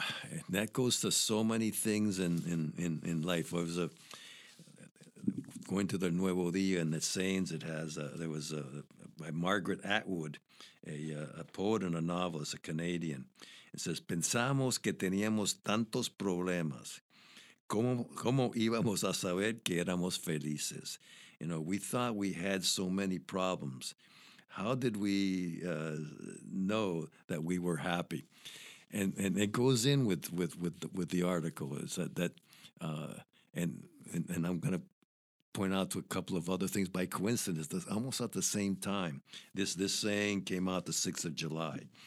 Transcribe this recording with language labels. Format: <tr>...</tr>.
<en>And that goes to so many things in life. I was going to the Nuevo Día and the sayings it has. There was by Margaret Atwood, a poet and a novelist, a Canadian.</en> <es>It says, "Pensamos que teníamos tantos problemas. ¿Cómo íbamos a saber que éramos felices?"</es> <en>You know, we thought we had so many problems. How did we know that we were happy? And it goes in with the article is that I'm going to point out to a couple of other things by coincidence that almost at the same time this saying came out the 6th of July.</en>